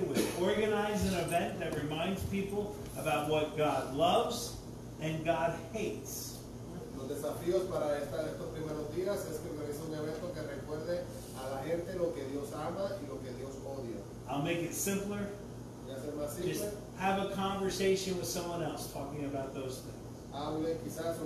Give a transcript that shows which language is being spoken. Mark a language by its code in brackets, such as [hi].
[en] We organize an event that reminds people about what God loves and God hates. [es] Los desafíos para estos primeros días es que organizamos un evento que recuerde a la gente lo que Dios ama y lo que Dios odia. [en] I'll make it simpler. Just have a conversation with someone else talking about those things.